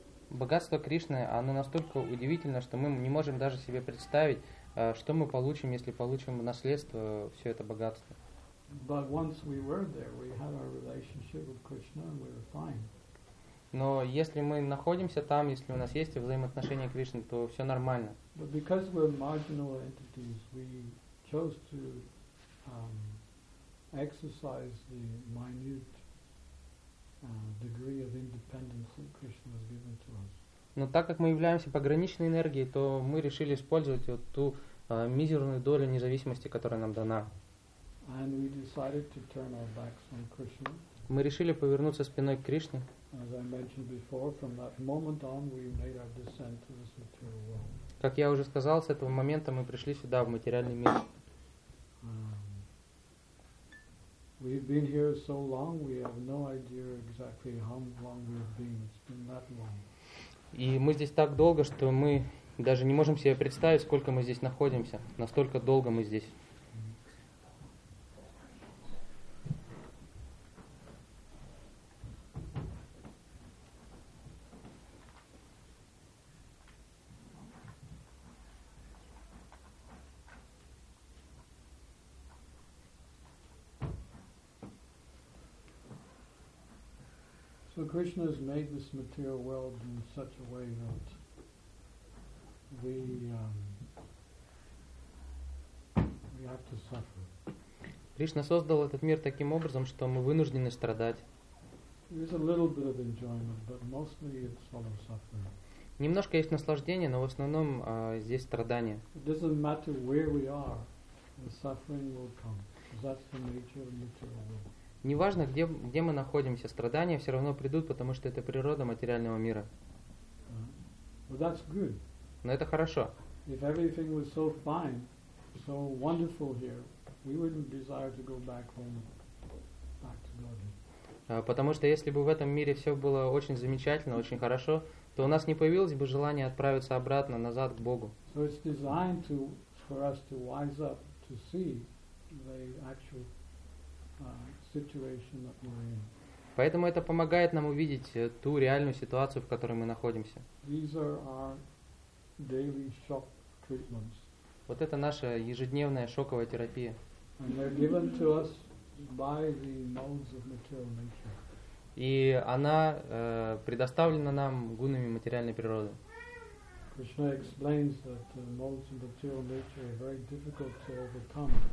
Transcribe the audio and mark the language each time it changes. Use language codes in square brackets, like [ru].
[ru] Богатство Кришны, оно настолько удивительно, что мы не можем даже себе представить, что мы получим, если получим в наследство все это богатство? [en] But once we were there, we had our relationship with Krishna, and we were fine. [ru] Но если мы находимся там, если у нас есть взаимоотношения с Кришной, то все нормально. [en] But because we're marginal entities, we chose to exercise the minute degree of independence that Krishna has given to us. [ru] Но так как мы являемся пограничной энергией, то мы решили использовать вот ту мизерную долю независимости, которая нам дана. [en] And we decided to turn our backs on Krishna. [ru] Мы решили повернуться спиной к Кришне. [en] As I mentioned before, from that moment on, we made our descent to this material world. [ru] Как я уже сказал, с этого момента мы пришли сюда, в материальный мир. [en] We've been here so long, we have no idea exactly how long we've been. It's been that long. [ru] И мы здесь так долго, что мы даже не можем себе представить, сколько мы здесь находимся. Настолько долго мы здесь. [en] So Krishna has made this material world in such a way that we have to suffer. [ru] Кришна создал этот мир таким образом, что мы вынуждены страдать. [en] There's a little bit of enjoyment, but mostly it's all of suffering. [ru] Немножко есть наслаждение, но в основном здесь страдание. [en] It doesn't matter where we are, the suffering will come. That's the nature of material world. [ru] Неважно, где мы находимся, страдания все равно придут, потому что это природа материального мира. [en] Well, that's good. [ru] Но это хорошо. [en] If everything was so fine, so wonderful here, we wouldn't desire to go back home, back to Godhead. [ru] Потому что если бы в этом мире все было очень замечательно, очень хорошо, то у нас не появилось бы желания отправиться обратно, назад к Богу. [en] So it's designed to, for us to wise up, to see the actual situation that we're in. [ru] Поэтому это помогает нам увидеть ту реальную ситуацию, в которой мы находимся. [en] These are our daily shock treatments. [ru] Вот это наша ежедневная шоковая терапия. [en] And they're given to us by the modes of material nature. [ru] И она предоставлена нам гунами материальной природы. [en] Krishna explains that the modes of material nature are very difficult to overcome.